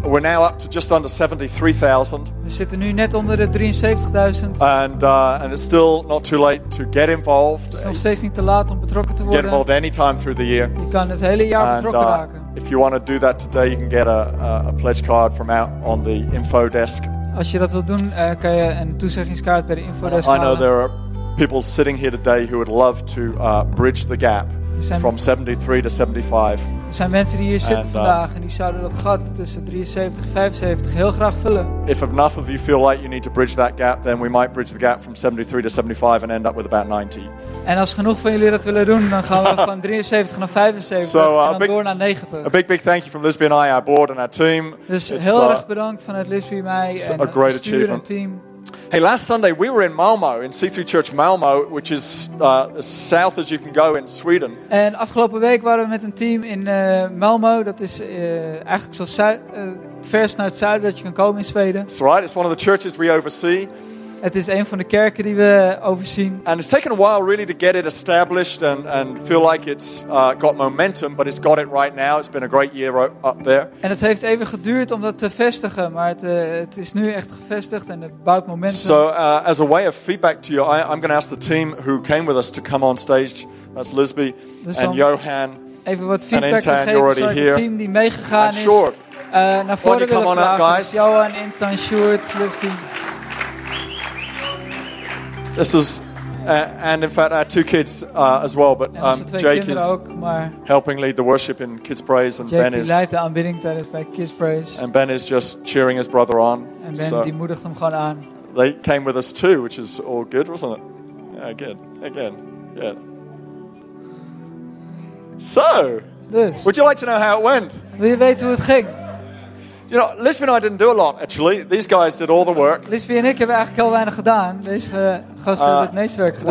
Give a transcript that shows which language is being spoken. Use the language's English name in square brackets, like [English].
[English] We're now up to just under 73,000. [Dutch] We zitten nu net onder de 73,000. [English] And it's still not too late to get involved. [Dutch] Het is nog steeds niet te laat om betrokken te worden. [English] Get involved anytime through the year. [Dutch] Je kan het hele jaar betrokken raken. [English] If you want to do that today, you can get a pledge card from out on the info desk. [Dutch] Als je dat wilt doen, kan je een toezeggingskaart bij de info desk halen. [English] I know there are people sitting here today who would love to bridge the gap. From 73 to 75. [Dutch] Er zijn mensen die hier zitten vandaag en die zouden dat gat tussen 73 en 75 heel graag vullen. [English] If enough of you feel like you need to bridge that gap, then we might bridge the gap from 73 to 75 and end up with about 90. [Dutch] En als genoeg van jullie dat willen doen, dan gaan we van 73 naar 75 [English] so, [Dutch] en dan door naar 90. [English] A big thank you from Lisby and I, our board and our team. [Dutch] Dus it's heel erg bedankt vanuit Lisby, mij en [English] a great achievement. [Dutch] Het team. [English] Hey, last Sunday we were in Malmo, in C3 Church Malmo, which is as south as you can go in Sweden. [Dutch] En afgelopen week waren we met een team in Malmo. Dat is eigenlijk zo het verst naar het zuiden dat je kan komen in Zweden. [English] That's right. It's one of the churches we oversee. [Dutch] Het is een van de kerken die we overzien. [English] And it's taken a while really to get it established and feel like it's got momentum, but it's got it right now. It's been a great year up there. [Dutch] En het heeft even geduurd om dat te vestigen, maar het is nu echt gevestigd en het bouwt momentum. [English] So as a way of feedback to you, I'm going to ask the team who came with us to come on stage. That's Lisby and Johan. [Dutch] Even wat feedback te geven voor het team die meegegaan is. Naar voren willen vragen. [English] Up, guys? [Dutch] Dus Johan, Intan, Sjoerd, Lisby. [English] This is, and in fact, our two kids as well. But Jake is [Dutch] ook, maar [English] helping lead the worship in Kids Praise, and Ben is [Dutch] leidt de aanbidding tijdens bij Kids Praise. [English] And Ben is just cheering his brother on. [Dutch] En Ben die moedigt hem gewoon aan. [English] They came with us too, which is all good, wasn't it? Yeah, again, yeah. So, would you like to know how it went? [Dutch] Wil je weten hoe het ging? [English] You know, Lisby and I didn't do a lot actually. These guys did all the work. [Dutch] Lisby en ik hebben eigenlijk heel weinig gedaan. Deze gasten hebben het meeste werk gedaan.